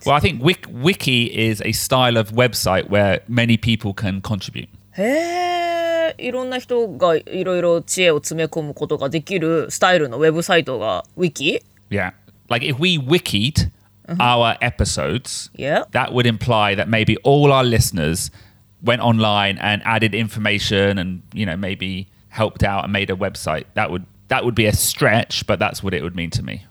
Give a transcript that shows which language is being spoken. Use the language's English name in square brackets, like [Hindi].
[English] Well, I think wiki is a style of website where many people can contribute. [Japanese] へぇー、いろんな人がいろいろ知恵を詰め込むことができるスタイルのウェブサイトがwiki? [English] Yeah. Like if we wikied our episodes, that would imply that maybe all our listeners went online and added information and, you know, maybe helped out and made a website. That would be a stretch, but that's what it would mean to me.